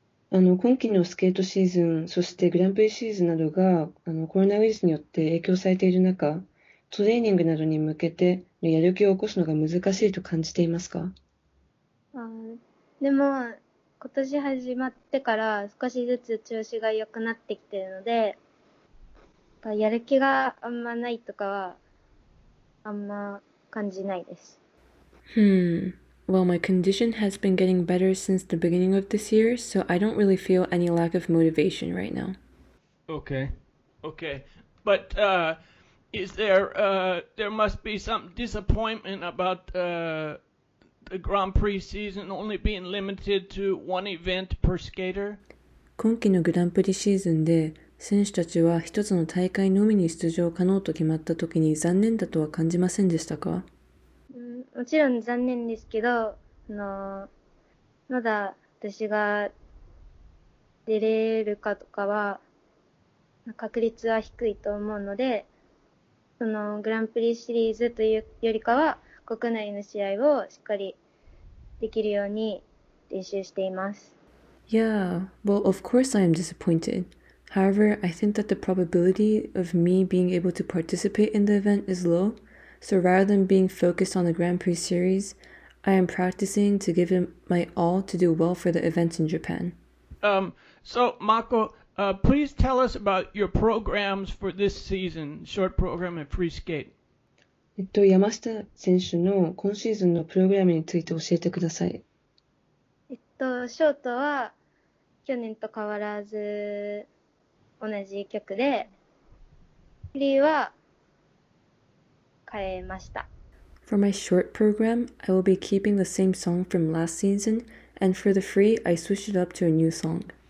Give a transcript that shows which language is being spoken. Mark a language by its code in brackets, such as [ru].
[ja] 今期のスケートシーズン、そしてグランプリシーズンなどがコロナウイルスによって影響されている中、トレーニングなどに向けてやる気を起こすのが難しいと感じていますか？でも、今年始まってから少しずつ調子が良くなってきているので、やる気があんまないとかはあんま感じないです。 [en] Well, my condition has been getting better since the beginning of this year, so I don't really feel any lack of motivation right now. Okay. But, there must be some disappointment about, the Grand Prix season only being limited to one event per skater? [ja] 今期のグランプリシーズンで、選手たちは一つの大会のみに出場可能と決まったときに残念だとは感じませんでしたか？もちろん残念ですけど、まだ私が出れるかとかは確率は低いと思うので、そのグランプリシリーズというよりかは国内の試合をしっかりできるように練習しています。 [en] Yeah, well, of course I am disappointed. However, I think that the probability of me being able to participate in the event is low. So rather than being focused on the Grand Prix series, I am practicing to give it my all to do well for the event in Japan. So Mako, please tell us about your programs for this season, short program and free skate. [ja] 山下選手の今シーズンのプログラムについて教えてください。ショートは去年と変わらず同じ曲で、フリーは変えました。 [en] For my short program, I will be keeping the same song from last season, and for the free, I switched it up to a new song.